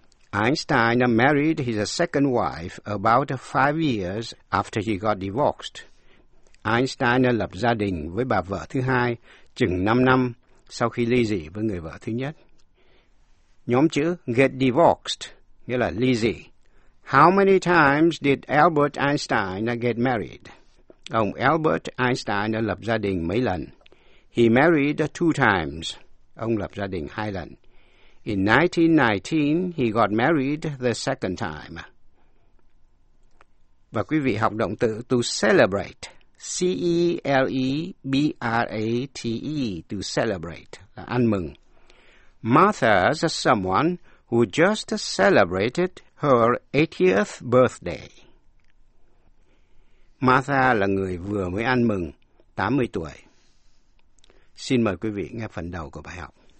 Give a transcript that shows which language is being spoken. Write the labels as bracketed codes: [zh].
[en] Einstein married his second wife about 5 years after he got divorced. [vi] Einstein lập gia đình với bà vợ thứ hai chừng 5 năm sau khi ly dị với người vợ thứ nhất. Nhóm chữ get divorced nghĩa là ly dị. [en] How many times did Albert Einstein get married? [vi] Ông Albert Einstein lập gia đình mấy lần? [en] He married 2 times. [vi] Ông lập gia đình 2 lần. [en] In 1919, he got married the second time. [vi] Và quý vị học động từ to celebrate. C-E-L-E-B-R-A-T-E, to celebrate, là ăn mừng. [en] Martha's someone who just celebrated her 80th birthday. [vi] Martha là người vừa mới ăn mừng, 80 tuổi. Xin mời quý vị nghe phần đầu của bài học.